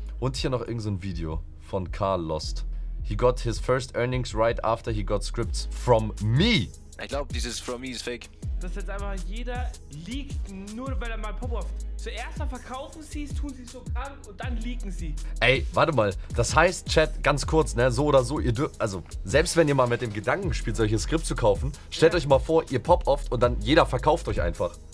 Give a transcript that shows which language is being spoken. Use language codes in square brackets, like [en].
[de] Und hier noch irgendein Video von Carl Lost. [en] He got his first earnings right after he got scripts from me. [de] Ich glaube, dieses [en] from me [de] ist fake. Dass jetzt einfach jeder leakt, nur weil er mal Pop-Off. Zuerst mal verkaufen sie es, tun sie es so krank und dann leaken sie. Ey, warte mal. Das heißt, Chat, ganz kurz, ne, so oder so, ihr dürft, also, selbst wenn ihr mal mit dem Gedanken spielt, solche Skripts zu kaufen, stellt euch mal vor, ihr Pop-Off und dann jeder verkauft euch einfach.